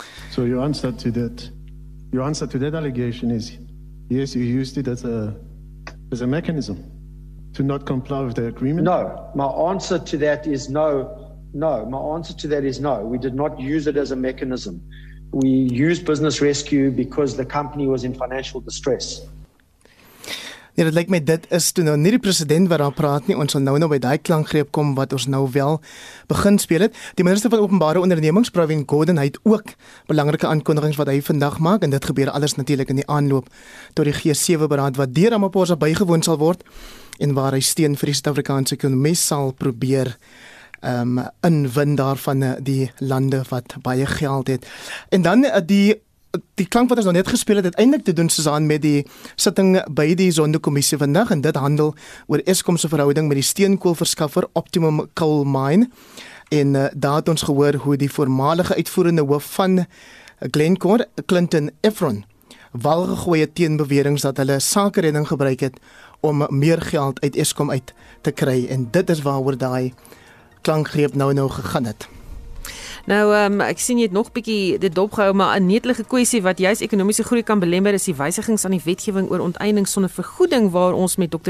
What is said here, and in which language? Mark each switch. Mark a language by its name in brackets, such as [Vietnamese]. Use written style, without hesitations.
[English] So your answer to that, your answer to that allegation is yes, you used it as a mechanism to not comply with the agreement? No, my answer to that is no. No, my answer to that is no. We did not use it as a mechanism. We used business rescue because the company was in financial distress. [Afrikaans] Ja, dit lyk my dit is toe nou nie die president wat daar praat nie. Ons sal nou by daai klankgreep kom wat ons nou wel begin speel het. Die minister van openbare ondernemings, Pravin Gordhan, hy het ook belangrike aankondigings wat hy vandag maak en dit gebeur alles natuurlik in die aanloop tot die G7 beraad wat deur Ramaphosa bygewoon sal word en waar hy steun vir die Suid-Afrikaanse ekonomie sal probeer inwin daarvan die lande wat baie geld het. En dan die klank wat ons nou net gespeel het, het eindelijk te doen, Susan, met die sitting by die Zondekommissie vandag, en dit handel oor Eskom se verhouding met die steenkoolverskaffer Optimum Coal Mine. En daar het ons gehoor hoe die voormalige uitvoerende hoof van Glencore, Clinton Efron, wal gegooi het teen beweringe dat hulle sakeredding gebruik het om meer geld uit Eskom uit te kry. En dit is waaroor daai klankgreep nou gegaan het. Nou, ek sien jy het nog bietjie dit dopgehou, maar 'n netelige kwessie wat juist ekonomiese groei kan belemmer is die wysigings aan die wetgewing oor onteiening sonder vergoeding waar ons met Dr.